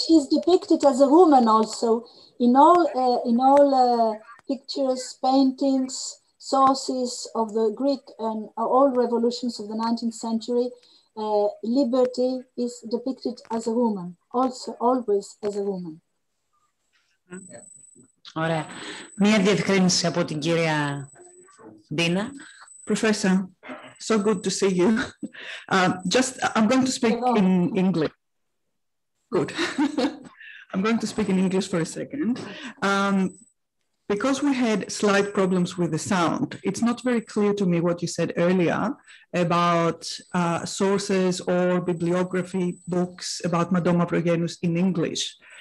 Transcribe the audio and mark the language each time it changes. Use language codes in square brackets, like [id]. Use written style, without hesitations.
[en] She's depicted as a woman also in all pictures, paintings, sources of the Greek and all revolutions of the 19th century. Liberty is depicted as a woman, also always as a woman. [el] Ωραία. Μία διευκρίνηση από την κυρία Ντίνα. [en] Professor, so good to see you. I'm going to speak in English. Good. I'm going to speak in English for a second. Because we had slight problems with the sound, it's not very clear to me what you said earlier about sources or bibliography books about Manto Mavrogenous in English.